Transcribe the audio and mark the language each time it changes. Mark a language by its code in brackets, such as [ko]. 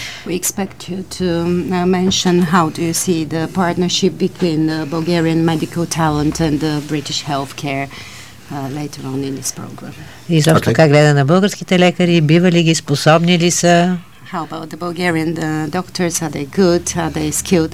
[en] We expect you to mention how do you see the partnership between the Bulgarian medical talent and the British healthcare later on in this program. [bg] И също okay. Как гледа на българските лекари, бива ли ги, способни ли са? [en] How about the Bulgarian the doctors? Are they good? Are they skilled?